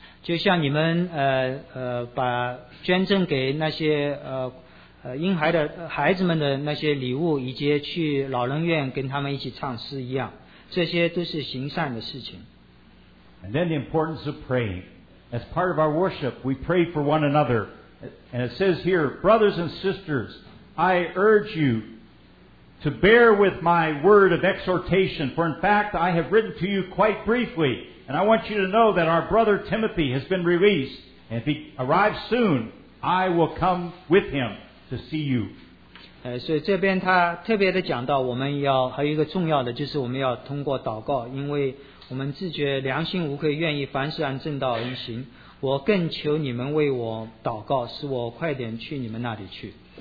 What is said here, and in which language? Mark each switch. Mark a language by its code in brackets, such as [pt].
[zh] 就像你们把捐赠给那些婴孩的孩子们的那些礼物，以及去老人院跟他们一起唱诗一样，这些都是行善的事情。 [en] And then the importance of praying. As part of our worship, we pray for one another. And it says here, brothers and sisters, I urge you to bear with my word of exhortation, for in fact I have written to you quite briefly, and I want you to know that our brother Timothy has been released, and if he arrives soon, I will come with him to see you. [zh] 所以这边他特别的讲到，我们要还有一个重要的，就是我们要通过祷告，因为我们自觉良心无愧，愿意凡事按正道而行。我更求你们为我祷告，使我快点去你们那里去。